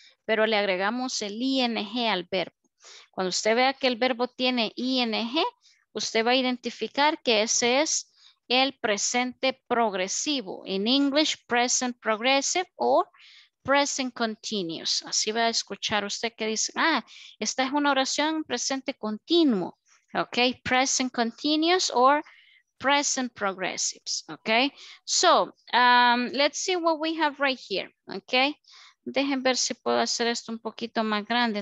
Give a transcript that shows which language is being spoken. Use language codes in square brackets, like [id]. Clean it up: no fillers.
[es] Pero le agregamos el ing al verbo. Cuando usted vea que el verbo tiene ing, usted va a identificar que ese es el presente progresivo. [en] In English, present progressive o present continuous. [es] Así va a escuchar usted que dice, ah, esta es una oración presente continuo. [en] Ok, present continuous o present progressives. Ok, so let's see what we have right here. Ok. [es] Dejen ver si puedo hacer esto un poquito más grande.